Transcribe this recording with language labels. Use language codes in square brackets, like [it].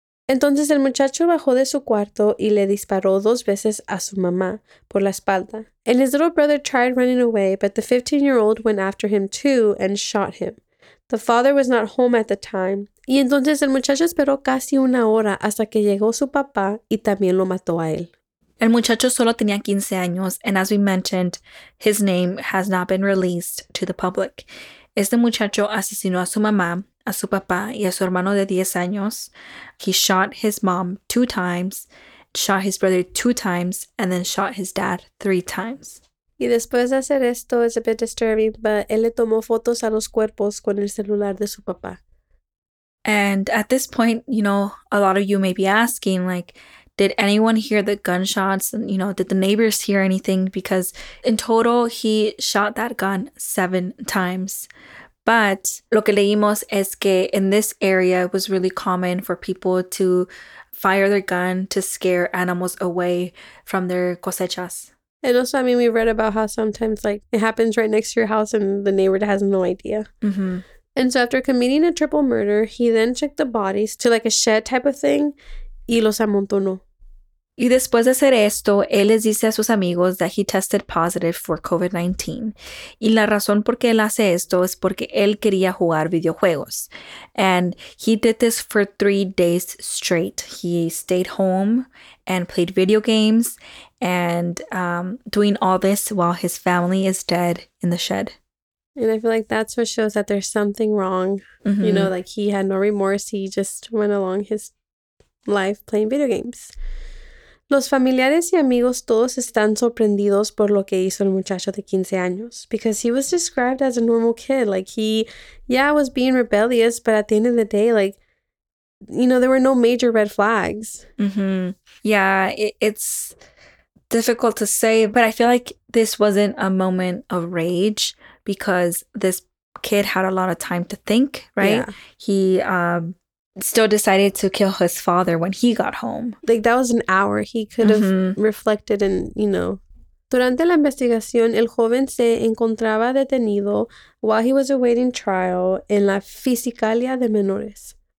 [es] Entonces el muchacho bajó de su cuarto y le disparó dos veces a su mamá por la espalda. [en] And his little brother tried running away, but the 15-year-old went after him too and shot him. The father was not home at the time. [es] Y entonces el muchacho esperó casi una hora hasta que llegó su papá y también lo mató a él. El muchacho solo tenía 15 años, [en] and as we mentioned, his name has not been released to the public. [es] Este muchacho asesinó a su mamá, a su papá y a su hermano de 10 años. [en] He shot his mom 2 times, shot his brother 2 times, and then shot his dad 3 times. [es] Y después de hacer esto, [en] it's a bit disturbing, but [es] él le tomó fotos a los cuerpos con el celular de su papá. [en] And at this point, you know, a lot of you may be asking, like, did anyone hear the gunshots? And, you know, did the neighbors hear anything? Because in total, he shot that gun 7 times. But [es] lo que leímos es que [en] in this area, it was really common for people to fire their gun to scare animals away from their cosechas. And also, I mean, we read about how sometimes, like, it happens right next to your house and the neighbor has no idea. Mm-hmm. And so after committing a triple murder, he then took the bodies to, like, a shed type of thing [es] y los amontonó. Y después de hacer esto, él les dice a sus amigos [en] that he tested positive for COVID-19. [es] Y la razón por qué él hace esto es porque él quería jugar videojuegos. [en] And he did this for 3 days straight. He stayed home and played video games and doing all this while his family is dead in the shed. And I feel like that's what shows that there's something wrong. Mm-hmm. You know, like he had no remorse. He just went along his life playing video games. [es] Los familiares y amigos todos están sorprendidos por lo que hizo el muchacho de 15 años. [en] Because he was described as a normal kid. Like, he, yeah, was being rebellious, but at the end of the day, like, you know, there were no major red flags. Mm-hmm. Yeah, it's difficult to say, but I feel like this wasn't a moment of rage because this kid had a lot of time to think, right? Yeah. He, still decided to kill his father when he got home. Like, that was an hour he could have reflected and, you know. [es] Durante la investigación, el joven se encontraba detenido [en] while he was awaiting trial [es] en la Fiscalía de Menores.